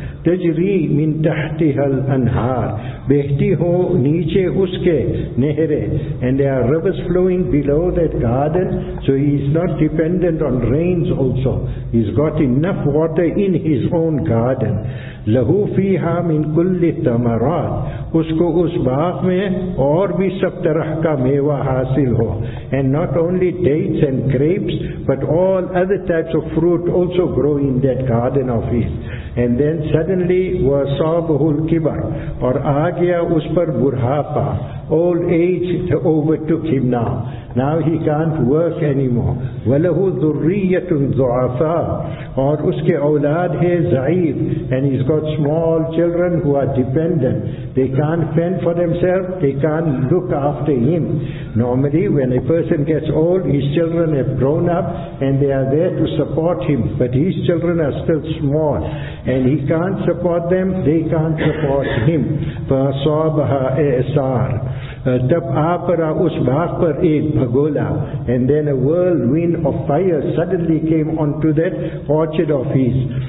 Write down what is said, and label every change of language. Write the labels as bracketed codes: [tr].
[ar] تجری من تحتها الانہار, [ur] بہتی ہو نیچے اس کے نہرے. [en] And there are rivers flowing below that garden, so he is not dependent on rains also. He's got enough water in his own garden. [ar] له فيها من كل الثمرات. [ur] اس کو اس باغ میں اور بھی سب طرح کا میوہ حاصل ہو. [en] And not only dates and grapes, but all other types of fruit also grow in that garden of his. And then suddenly [ar] وَصَابَهُ الْكِبَرُ, [ur] اور آ گیا اس پر بُرْحَاپَا. [en] Old age overtook him now. Now he can't work anymore. [ar] وَلَهُ ذُرِّيَّةٌ ضُعَفَاءُ, [ur] اور اس کے اولاد ہے ضعیف. [en] And he's got small children who are dependent. They can't fend for themselves. They can't look after him. Normally when a person gets old, his children have grown up and they are there to support him. But his children are still small. And he can't support them. They can't support him. [ar] فَصَابَهَا إِعْصَارٌ. [ur] تب آ پڑا اس باغ پر ایک بھگولا. [en] And then a whirlwind of fire suddenly came onto that orchard of his.